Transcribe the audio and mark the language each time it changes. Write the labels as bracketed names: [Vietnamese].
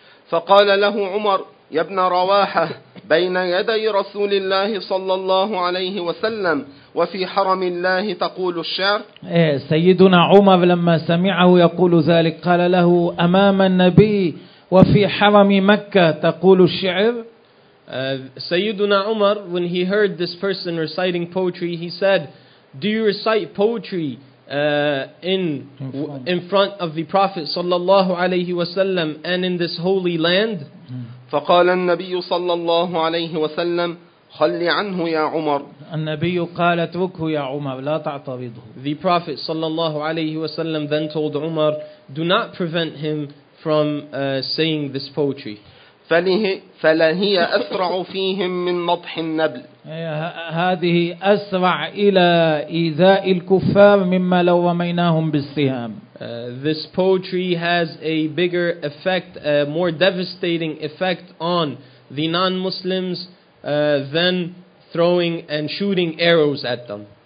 [Arabic] فقال له عمر يا ابن رواحة بين يدي رسول الله صلى الله عليه وسلم وفي حرم الله تقول الشعر. سيدنا عمر لما سمعه يقول ذلك قال له أمام النبي وفي حرم مكة تقول الشعر. [English] سيدنا عمر, when he heard this person reciting poetry, he said, do you recite poetry in front of the Prophet [Arabic] صلى الله عليه وسلم [English] and in this holy land? [Arabic] فقال النبي صلى الله عليه وسلم خلي عنه يا عمر. النبي قال اتركه يا عمر لا تعترضه. [English] The Prophet [Arabic] صلى الله عليه وسلم [English] then told عمر, do not prevent him from saying this poetry. [Arabic] فلا هي أسرع فيهم من مطح النبل. هذه أسرع إلى إيذاء الكفار مما لو رميناهم بالسهام. [English] This poetry has a bigger effect, a more devastating effect on the non-Muslims than throwing and shooting arrows at them.